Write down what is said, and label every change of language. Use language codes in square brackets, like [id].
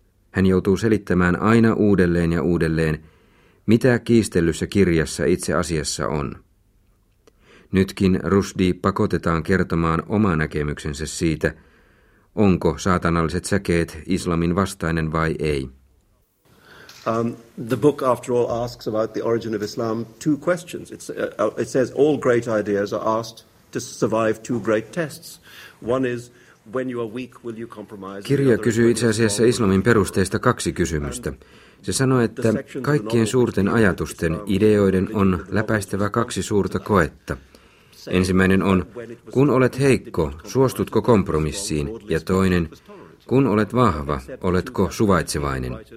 [fi] Hän joutuu selittämään aina uudelleen ja uudelleen, mitä kiistellyssä kirjassa itse asiassa on. Nytkin Rushdie pakotetaan kertomaan oma näkemyksensä siitä, onko saatanalliset säkeet islamin vastainen vai ei. [en] The book, after all, asks about the origin of Islam two questions. It says all great ideas are asked to survive two great tests. One is, when you are weak, will you compromise? [fi] Kirja kysyy itse asiassa islamin perusteista 2 kysymystä. Se sanoo, että kaikkien suurten ajatusten, ideoiden on läpäistävä 2 suurta koetta. Ensimmäinen on, kun olet heikko, suostutko kompromissiin? Ja toinen, kun olet vahva, oletko suvaitsevainen?